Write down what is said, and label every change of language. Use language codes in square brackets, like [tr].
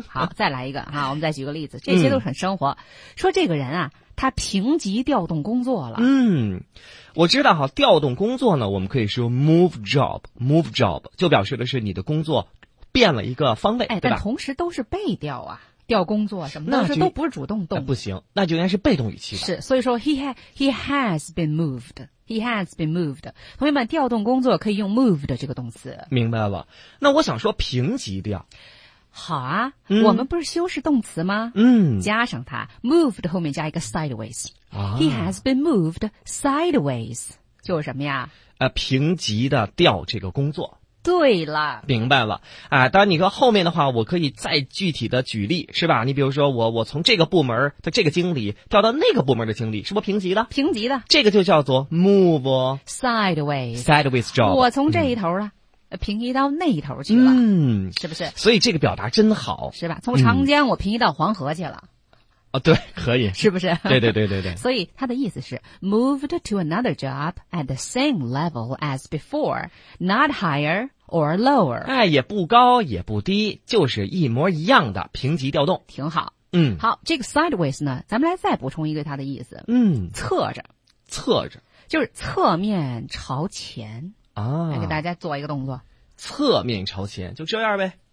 [zh] 好，再来一个啊，我们再举个例子，这些都是很生活。嗯，说这个人啊，他平级调动工作了。嗯，我知道哈，调动工作呢，我们可以说 [en] move job，move job [zh] 就表示的是你的工作变了一个方位，哎，对吧？但同时都是被调啊。调工作什么的，这都不是主动动，哎，不行，那就应该是被动语气吧。是，所以说 [en] he has been moved， he has been moved。 [zh] 同学们，调动工作可以用 moved 这个动词。明白了，那我想说平级调。好啊，嗯，我们不是修饰动词吗？嗯，加上它 moved 后面加一个 sideways，啊， [en] he has been moved sideways， [zh] 就是什么呀？平级的调这个工作。对了，明白了啊！当然，你说后面的话，我可以再具体的举例，是吧？你比如说我从这个部门的这个经理调到那个部门的经理，是不是平级的？平级的，这个就叫做 [en] move sideways sideways job。 [zh] 我从这一头啊，平移到那一头去了，嗯，是不是？所以这个表达真好，是吧？从长江我平移到黄河去了。嗯，哦，对，可以，是不是？对对对对对。所以他的意思是 [en] moved to another job at the same level as before, not higher or lower。 [zh] 哎，也不高也不低，就是一模一样的平级调动，挺好。嗯，好，这个 sideways 呢，咱们来再补充一个他的意思。嗯，侧着，侧着，就是侧面朝前啊。来给大家做一个动作，侧面朝前，就这样呗。